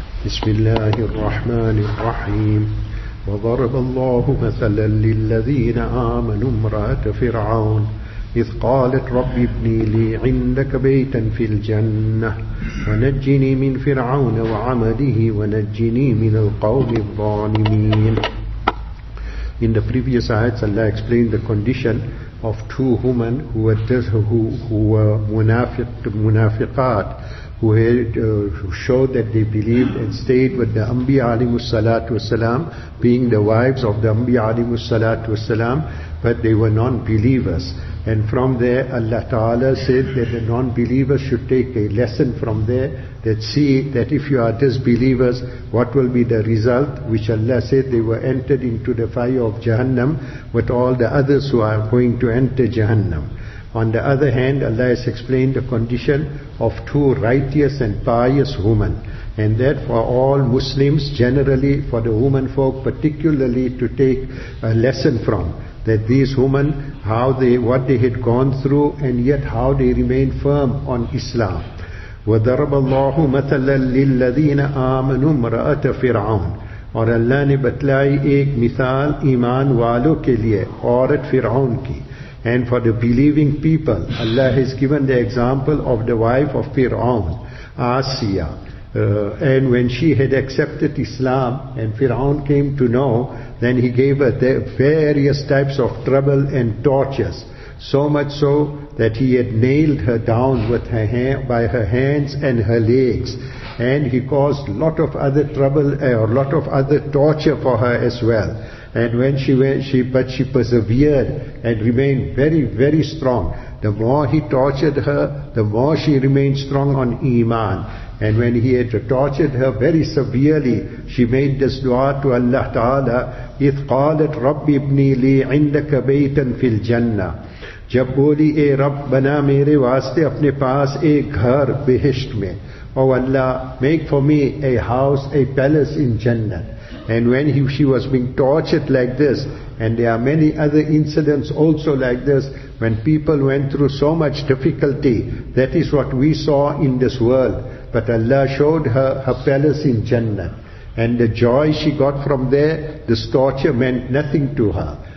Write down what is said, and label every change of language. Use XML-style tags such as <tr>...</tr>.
<ar>بسم الله الرحمن الرحيم. وضرب الله مثلا للذين آمنوا امرأة فرعون إذ قالت رب ابني لي عندك بيتا في الجنة ونجني من فرعون وعمله ونجني من القوم الظالمين.</ar> <en>In the previous ayats, Allah explained the condition of two women who were munafiqat, who showed that they believed and stayed with the Anbiya alayhimus salatu wassalam, being the wives of the Anbiya alayhimus salatu wassalam, but they were non-believers. And from there, Allah Ta'ala said that the non-believers should take a lesson from there, that see that if you are disbelievers, what will be the result? Which Allah said they were entered into the fire of Jahannam with all the others who are going to enter Jahannam. On the other hand, Allah has explained the condition of two righteous and pious women. And that for all Muslims generally, for the women folk particularly, to take a lesson from. That these women, what they had gone through, and yet how they remained firm on Islam.</en> <ar>وَضَرَبَ اللَّهُ مَثَلًا لِلَّذِينَ آمَنُوا امْرَأَةَ فِرْعَوْنَ.</ar> <ur>اور اللہ نے بتلائی ایک مثال ایمان والوں کے لئے عورت فرعون کی.</ur> <en>And for the believing people, Allah has given the example of the wife of Fir'aun, Asiya. And when she had accepted Islam and Fir'aun came to know, then he gave her the various types of trouble and tortures. So much so that he had nailed her down by her hands and her legs. And he caused lot of other trouble or lot of other torture for her as well. And when she persevered and remained very, very strong. The more he tortured her, the more she remained strong on Iman. And when he had tortured her very severely, she made this dua to Allah Ta'ala,</en> <ar>إِذْ قَالَتْ رَبِّ ابْنِي لِي عِنْدَكَ بَيْتًا فِي الْجَنَّةِ.</ar> <ur>جب بولی اے رب بنا میرے واسطے اپنے پاس ایک گھر بہشت میں.</ur> <en>Oh Allah, make for me a house, a palace in Jannah. And when she was being tortured like this, and there are many other incidents also like this, when people went through so much difficulty, that is what we saw in this world. But Allah showed her palace in Jannah. And the joy she got from there, this torture meant nothing to her.</en>